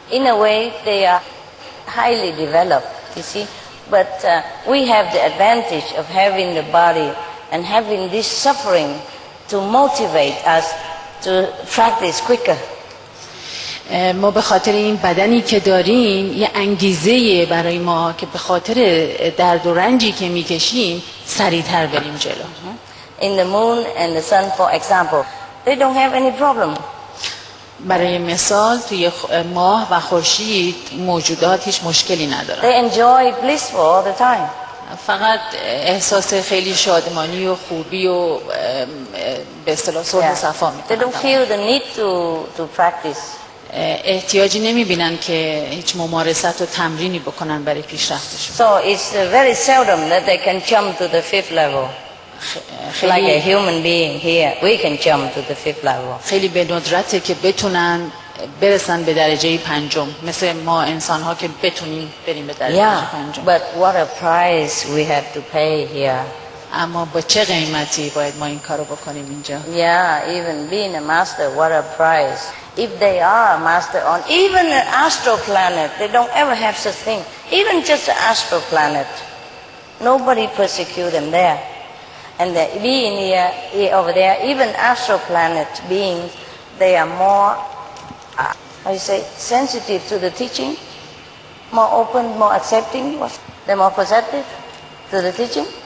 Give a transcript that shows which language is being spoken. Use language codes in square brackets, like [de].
[en] In a way they are highly developed, you see, but we have the advantage of having the body and having this suffering to motivate us to practice quicker. [fa] ما به خاطر این بدنی که داریم یه انگیزه برای ما که به خاطر درد و رنجی که میکشیم سریعتر بریم جلو. [en] In the moon and the sun, for example, they don't have any problem. [fa] برای مثال توی ماه و خورشید موجودات هیچ مشکلی ندارن. [en] They enjoy bliss all the time. [fa] فقط احساس خیلی شادمانی و خوبی و به اصطلاح صلح و صفا میکنن. [en] They don't feel the need to practice. [fa] احتیاجی نمیبینن که هیچ ممارست و تمرینی بکنن برای پیشرفتشون. [en] So it's very seldom that they can jump to the fifth level. Like a human being here, we can jump to the fifth level. [fa] خیلی به ندرته که بتونن برسن به درجه پنجم. مثل ما انسان ها که بتونیم بریم به درجه پنجم. [en] But what a price we have to pay here. [fa] اما با چه قیمتی باید ما این کارو بکنیم اینجا؟ [en] Yeah, even being a master, what a price. If they are a master on even an astral planet, they don't ever have such thing. Even just an astral planet, nobody persecute them there. And the being here, over there, even astral planet beings, they are more, how you say, sensitive to the teaching, more open, more accepting, they're more perceptive to the teaching.